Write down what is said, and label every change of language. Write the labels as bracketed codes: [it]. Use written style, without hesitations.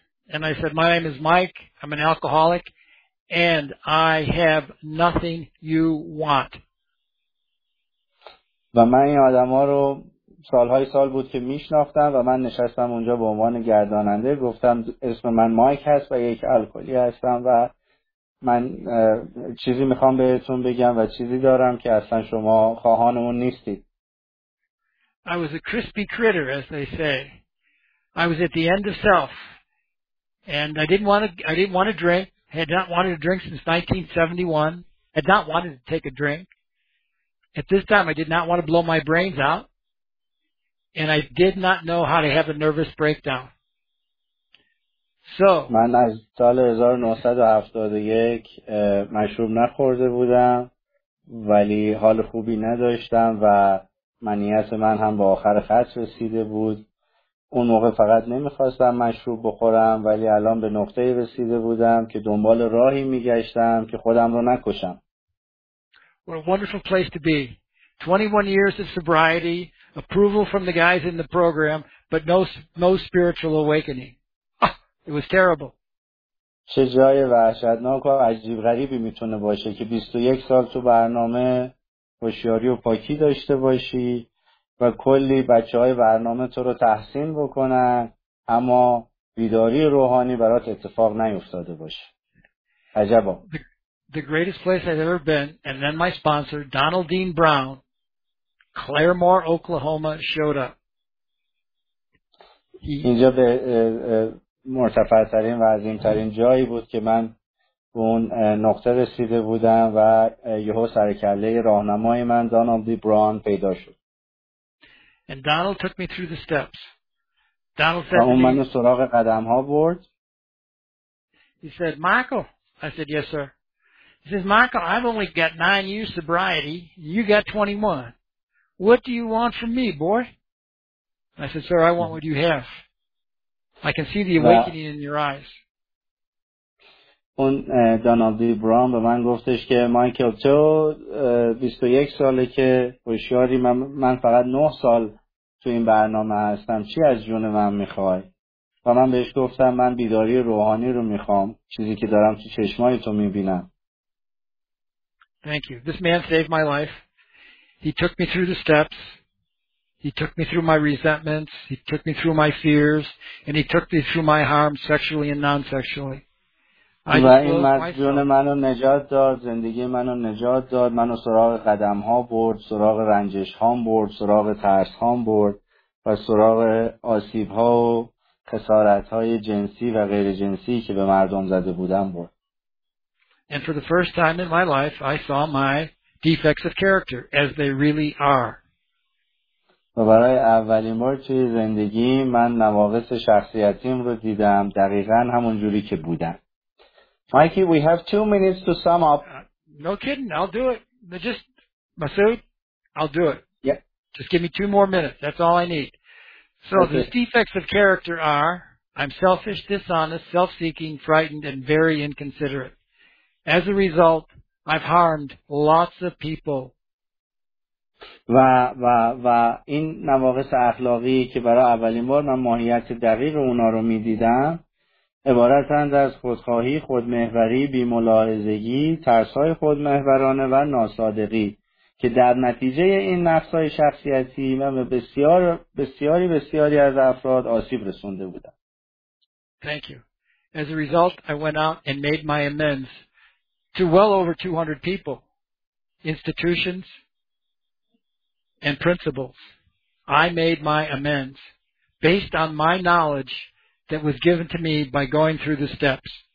[en] And I said, my name is Mike, I'm an alcoholic, and I have nothing you want. [fa] و من این آدم ها رو سالهای سال بود که میشناختم و من نشستم اونجا به عنوان گرداننده گفتم اسم من مایک هست و یک الکلی هستم و من چیزی میخوام بهتون بگم و چیزی دارم که اصلا شما خواهانمون نیستید. [en] I was a crispy critter, as they say. I was at the end of self. And I didn't want to drink, had not wanted to drink since 1971, had not wanted to take a drink. At this time, I did not want to blow my brains out, and I did not know how to have a nervous breakdown. So, [fa] من از سال 1971 مشروب نخورده بودم ولی حال خوبی نداشتم و منیت من هم به آخر خط رسیده بود. اون موقع فقط نمیخواستم مشروب بخورم ولی الان به نقطه رسیده بودم که دنبال راهی میگشتم که خودم رو نکشم. [en] What a wonderful place to be. 21 years of sobriety, approval from the guys in the program, but no spiritual awakening. It was terrible. [fa] چه جای وحشتناک و عجیب غریبی میتونه باشه که 21 سال تو برنامه هوشیاری و پاکی داشته باشی و کلی بچه‌های برنامه تو رو تحسین بکنن اما بیداری روحانی برات اتفاق نیفتاده باشه. عجبا. [en] The greatest place I've ever been, and then my sponsor, Donald Dean Brown, Claremore, Oklahoma, showed up. [fa] اینجا به مرتفع‌ترین و عظیم‌ترین جایی بود که من اون نقطه رسیده بودم و یهو سرکله راهنمای من دانالد دی براون پیدا شد. [en] And Donald took me through the steps. Donald said to me, [fa] سراغ قدم‌ها برد. [en] He said, Michael. I said, yes, sir. He says, Michael, I've only got 9 years sobriety. You got 21. What do you want from me, boy? I said, sir, I want what you have. I can see the awakening in your eyes. [fa] اون دانالد دی براون به من گفتش که مایکل تو 21 ساله که هوشیاری من فقط 9 سال تو این برنامه هستم چی از جون من میخوای؟ و من بهش گفتم من بیداری روحانی رو میخوام چیزی که دارم تو چشمای تو میبینم. [en] Thank you. This man saved my life. He took me through the steps. He took me through my resentments. He took me through my fears. And he took me through my harm sexually and non-sexually. [fa] و این مرد جون منو نجات داد، زندگی منو نجات داد، منو سراغ قدم ها برد، سراغ رنجش هام برد، سراغ ترس هام برد و سراغ آسیب‌ها و خسارت‌های جنسی و غیر جنسی که به مردم زده بودم برد. [en] And for the first time in my life, I saw my defects of character as they really are. [fa] و برای اولین بار توی زندگی من نواقص شخصیتیم رو دیدم دقیقاً همون جوری که بودن. [en] Mikey, we have 2 minutes to sum up. No kidding, I'll do it. Just, Masood, I'll do it. Yeah. Just give me 2 more minutes. That's all I need. So okay. These defects of character are, I'm selfish, dishonest, self-seeking, frightened, and very inconsiderate. As a result, I've harmed lots of people. [fa] و این نواقص اخلاقی که برای اولین بار من ماهیت دقیق اونا رو می دیدم عبارتند از خودخواهی، خودمحوری، بی‌ملاحظگی، ترس‌های خودمحورانه و ناصادقی که در نتیجه این نقص‌های شخصیتی من به بسیار بسیاری بسیاری از افراد آسیب رسونده بودم. [en] Thank you. As a result, I went out and made my amends to well over 200 people, institutions and principals. I made my amends based on my knowledge that was given to me by going through the steps.